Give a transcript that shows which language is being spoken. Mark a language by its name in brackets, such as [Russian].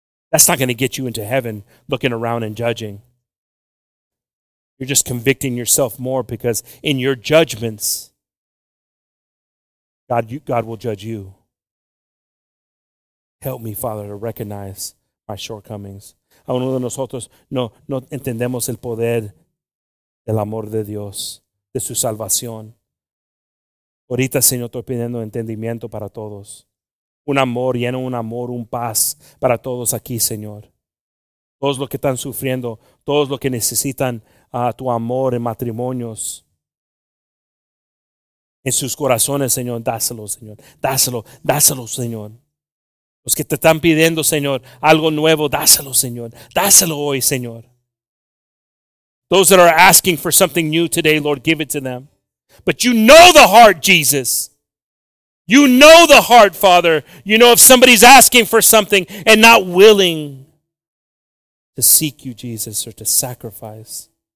[English] That's not going to get you into heaven, looking around and judging. You're just convicting yourself more because in your judgments, God will judge you. Help me, Father, to recognize my shortcomings. [Spanish] A uno de nosotros no entendemos el poder del amor de Dios, de su salvación. Ahorita, Señor, estoy pidiendo entendimiento para todos. Un amor, lleno un amor, un paz para todos aquí, Señor. Todos los que están sufriendo, todos los que necesitan tu amor en matrimonios. En sus corazones, Señor, dáselo, Señor. Dáselo, Señor. Los que te están pidiendo, Señor, algo nuevo, dáselo, Señor. Dáselo hoy, Señor. [English] Those that are asking for something new today, Lord, give it to them. But you know the heart, Jesus. You know the heart, Father. You know if somebody's asking for something and not willing to seek you, Jesus, or to sacrifice.